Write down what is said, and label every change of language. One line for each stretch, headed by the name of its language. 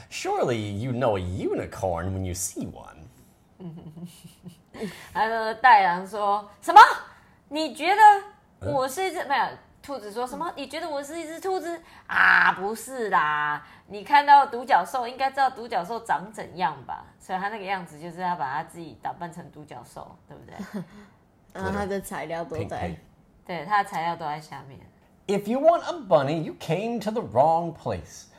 English: Surely you know a unicorn when you see one.
Chinese: 然后袋狼说什么？你觉得？我是一只没有兔子说什么？你觉得我是一只兔子啊？不是啦，你看到独角兽应该知道独角兽长怎样吧？所以他那个样子就是要把他自己打扮成独角兽，对不对？然后他的材料都在，对，他的材料都在下面。
English: If you want a bunny, you came to the wrong place.